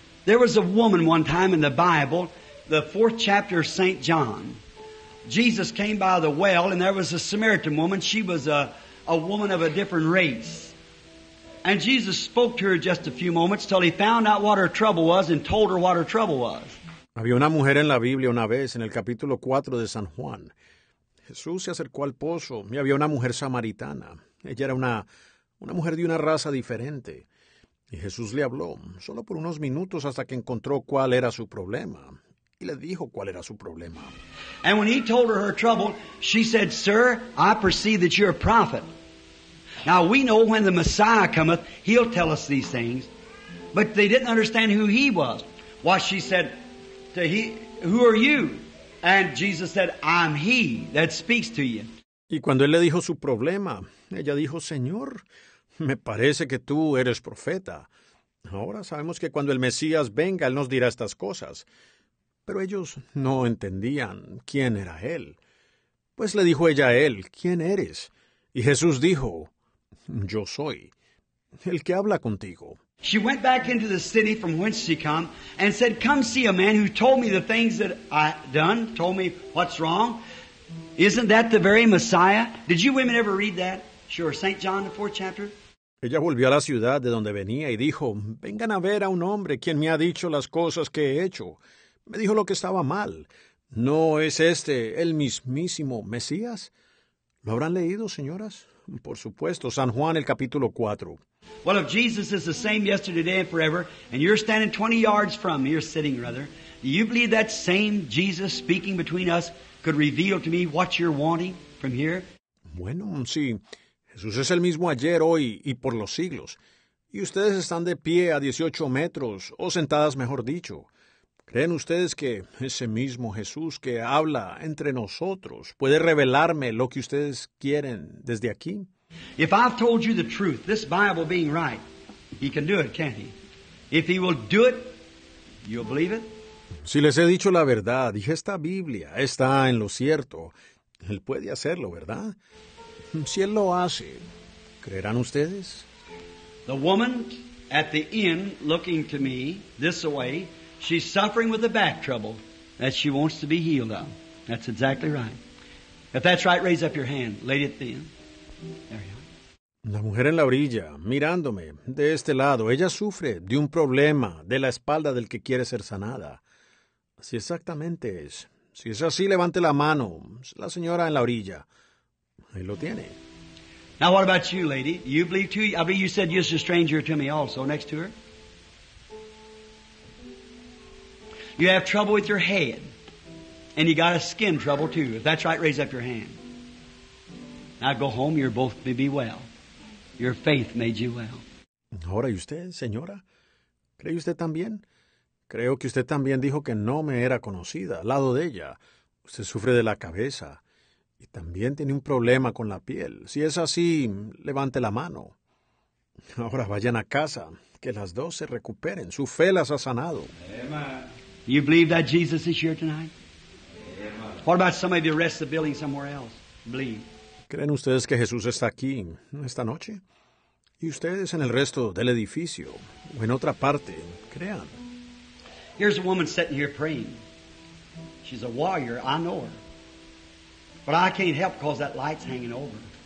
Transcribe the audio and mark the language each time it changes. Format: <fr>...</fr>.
<en>There was a woman one time in the Bible, the fourth chapter of St. John. Jesus came by the well, and there was a Samaritan woman. She was a woman of a different race. And Jesus spoke to her just a few moments till he found out what her trouble was and told her what her trouble was.</en> <es>Había una mujer en la Biblia una vez, en el capítulo 4 de San Juan. Jesús se acercó al pozo, y había una mujer samaritana. Ella era una mujer de una raza diferente. Y Jesús le habló, solo por unos minutos hasta que encontró cuál era su problema. Y le dijo cuál era su problema.</es> <en>And when he told her trouble, she said, Sir, I perceive that you're a prophet. Now we know when the Messiah cometh, he'll tell us these things. But they didn't understand who he was. Why, she said, who are you? And Jesus said, I'm he that speaks to you.</en> <es>Y cuando él le dijo su problema, ella dijo, Señor, me parece que tú eres profeta. Ahora sabemos que cuando el Mesías venga, él nos dirá estas cosas. Pero ellos no entendían quién era él. Pues le dijo ella a él, ¿quién eres? Y Jesús dijo, yo soy el que habla contigo.</es> <en>She went back into the city from whence she come and said, come see a man who told me the things that I done, told me what's wrong. Isn't that the very Messiah? Did you women ever read that? Sure, St. John, the fourth chapter.</en> <es>Ella volvió a la ciudad de donde venía y dijo, vengan a ver a un hombre quien me ha dicho las cosas que he hecho. Me dijo lo que estaba mal. ¿No es este el mismísimo Mesías? ¿Lo habrán leído, señoras? Por supuesto, San Juan, el capítulo 4.</es> <en>Well, if Jesus is the same yesterday, today, and forever, and you're standing 20 yards from me, you're sitting, rather, do you believe that same Jesus speaking between us could reveal to me what you're wanting from here?</en> <es>Bueno, sí. Jesús es el mismo ayer, hoy y por los siglos. Y ustedes están de pie a 18 metros, o sentadas, mejor dicho. ¿Creen ustedes que ese mismo Jesús que habla entre nosotros puede revelarme lo que ustedes quieren desde aquí?</es> <en>If I've told you the truth, this Bible being right, he can do it, can't he? If he will do it, you'll believe it?</en> <es>Si les he dicho la verdad, y esta Biblia está en lo cierto, él puede hacerlo, ¿verdad? Si él lo hace, ¿creerán ustedes?</es> <en>The woman at the inn looking to me this way, she's suffering with a back trouble that she wants to be healed of. That's exactly right. If that's right, raise up your hand, lady at the inn.</en> <es>La mujer en la orilla, mirándome de este lado, ella sufre de un problema de la espalda del que quiere ser sanada. Así exactamente es. Si es así, levante la mano. La señora en la orilla, ahí lo tiene.</es> <en>Now, what about you, lady? Do you believe too? I believe you said you're a stranger to me also, next to her. You have trouble with your head, and you got a skin trouble too. If that's right, raise up your hand. Now go home, you're both may be well. Your faith made you well.</en> <es>Ahora, ¿y usted, señora? ¿Cree usted también? Creo que usted también dijo que no me era conocida. Al lado de ella, usted sufre de la cabeza y también tiene un problema con la piel. Si es así, levante la mano. Ahora vayan a casa, que las dos se recuperen. Su fe las ha sanado.</es> <en>Amen. You believe that Jesus is here tonight? Amen. What about somebody who rests the building somewhere else? Believe.</en> <es>¿Creen ustedes que Jesús está aquí esta noche? Y ustedes en el resto del edificio o en otra parte, crean.</es> <en>Here's a woman sitting here praying. She's a warrior, I know her. But I can't help because that light's hanging over.</en>